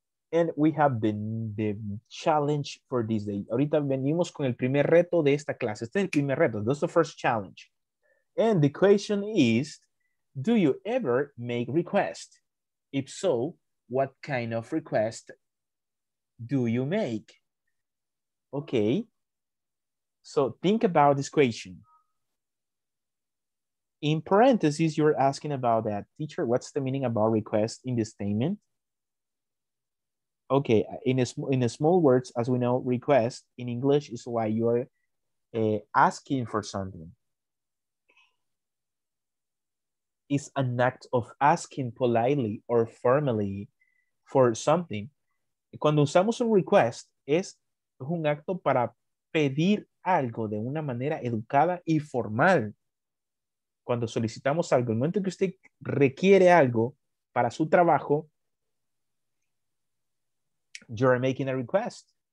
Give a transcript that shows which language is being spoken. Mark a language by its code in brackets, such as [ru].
[en] And we have the challenge for this day. [es] Ahorita venimos con el primer reto de esta clase. Este es el primer reto. [en] That's the first challenge. And the question is, do you ever make requests? If so, what kind of request do you make? Okay. So think about this question. In parentheses, you're asking about that. Teacher, what's the meaning about request in this statement? Okay, in a small words, as we know, request in English is why you're asking for something. It's an act of asking politely or formally for something. [es] Cuando usamos un request, es un acto para pedir algo de una manera educada y formal. Cuando solicitamos algo, el momento que usted requiere algo para su trabajo, [en] you're making a request.